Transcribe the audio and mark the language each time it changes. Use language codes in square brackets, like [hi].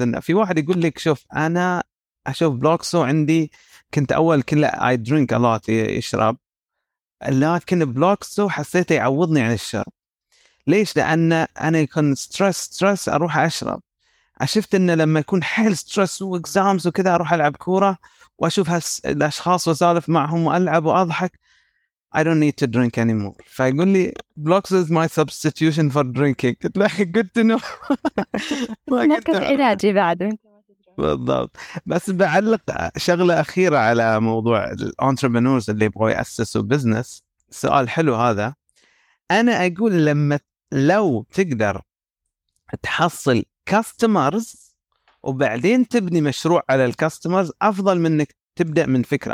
[ar] أن في واحد يقول لك شوف أنا أشوف بلوكسو، عندي كنت أول كله [en] I drink a lot، [ar] يشرب، لكن بلوكسو حسيته يعوضني عن الشرب. ليش؟ لأن أنا يكون stress أروح أشرب، أشفت إنه لما يكون حيل stress وexams وكذا أروح ألعب كورة وأشوف هالأشخاص وسالف معهم وألعب وأضحك، [en] I don't need to drink anymore. [ar] فيقول لي بلوكسو [en] is my substitution for drinking. [ar] قلت له [en] good to know. [ar] ما كنت علاجي بعد. بالضبط. بس بعلق شغلة أخيرة على موضوع الانتربنورز اللي يبغوا يأسسوا بزنس، سؤال حلو هذا. أنا أقول لو تقدر تحصل كاستمرز وبعدين تبني مشروع على الكاستمرز، أفضل منك تبدأ من فكرة.